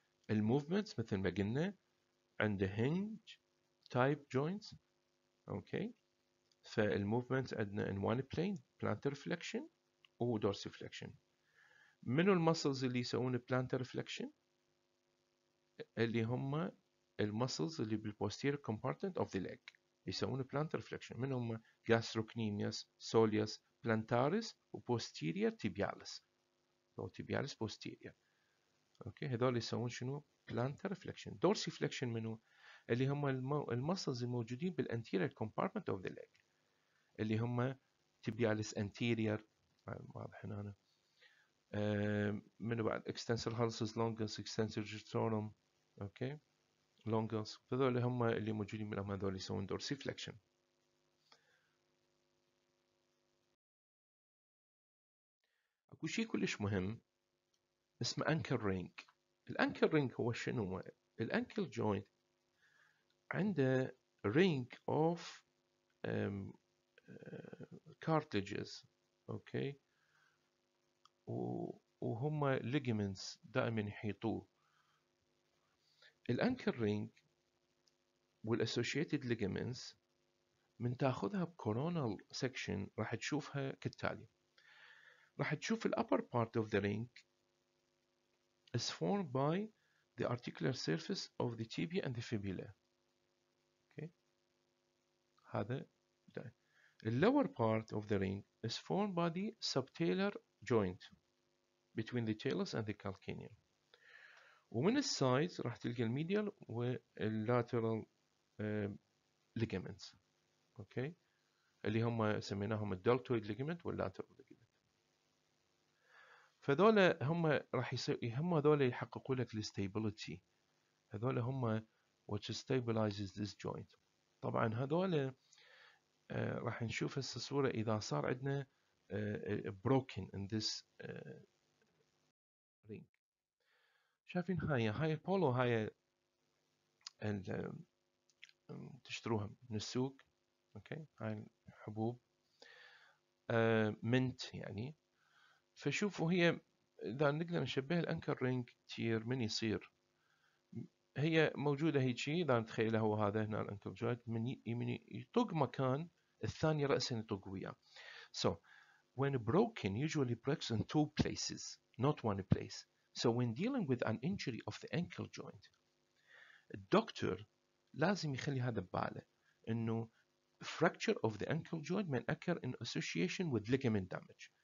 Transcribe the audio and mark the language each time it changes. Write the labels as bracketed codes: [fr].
[ar] الموفمنت مثل ما قلنا عند هنج تايب جوينتس اوكي فالموفمنت عندنا ان وان بلين بلانتر فليكشن ودورسي فليكشن منو المسلز اللي يسوون بلانتر فليكشن اللي هم المسلز اللي بالبوستير كومبارتمنت اوف ذا ليج يسوون plantar flexion منهم gastrocnemius, soleus, plantaris و posterior tibialis أو tibialis posterior okay. هذول يسوون شنو plantar flexion dorsiflexion منو اللي هم المسلز الموجودين بال anterior compartment of the leg اللي هم tibialis anterior واضح هنا منو بعد extensor hallucis longus, extensor digitorum okay. longus فذول هم اللي موجودين من هذول يسوون dorsiflexion. اكو شيء كلش مهم اسمه انكل رينج. الانكل رينج هو شنو؟ الانكل جوينت عنده رينج اوف كارتيجز اوكي، وهم ليجمنتس دائما يحيطوه. الانكل رينج والاسوشيتد ليجمنتس من تاخذها بكورونال سكشن راح تشوفها كالتالي. راح تشوف [en] الابر part of the ring is formed by the articular surface of the tibia and the fibula. Okay. هذا the lower part of the ring is formed by the subtalar joint between the talus and the calcaneum. [ar] ومن السايدز راح تلقى الميديال واللاترال ligaments. [en] Okay. [ar] اللي هم سميناهم الدلتويد ligament واللاترال ligament. فهذول هم راح يسوي، هم هذول يحققوا لك الاستابيليتي. هذول هم [en] which stabilizes this joint. [ar] طبعا هذول راح نشوف هسه الصوره اذا صار عندنا [en] broken in this ring. [ar] شايفين هاي البولو، هاي تشتروها من السوق. اوكي، هاي الحبوب منت يعني. فشوفوا هي إذا نقدر نشبه الأنكر رينج تير من يصير، هي موجودة هي شيء. إذا نتخيلها هو هذا هنا الأنكر جوينت، من يطق مكان الثاني رأسا يطق وياه. [en] So when broken usually breaks in two places not one place. So when dealing with an injury of the ankle joint [ar] الدكتور لازم يخلي هذا بباله، إنه [en] fracture of the ankle joint may occur in association with ligament damage.